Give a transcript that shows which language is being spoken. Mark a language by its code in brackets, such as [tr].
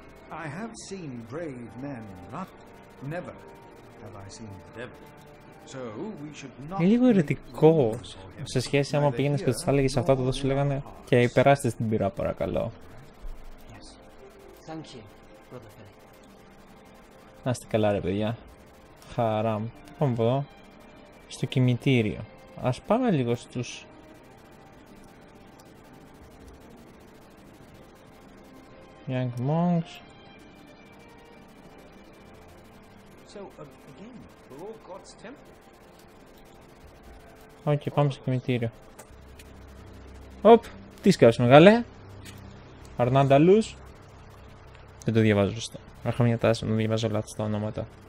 [en] I have seen brave men, not never have I seen the devil. So we should not... [el] Είναι λίγο ερετικό σε σχέση άμα πήγαινες και τους έλεγες αυτά, τότε σου λέγανε και περάστε στην πυρά, παρακαλώ. [en] Yes. Thank you, brother Philip. [el] Να είστε καλά, ρε παιδιά. Χαράμ, πάμε εδώ στο κημητήριο. Ας πάμε λίγο στους... [en] Young Monks. So, again, we're all God's temple. [el] Οκ, okay, πάμε στο κημητήριο. Οπ, τι σκέψε μεγάλε. Αρνάντα Λούς. Δεν το διαβάζω σωστά. Έχω μια τάση να διαβάζω λάθος τα ονόματα.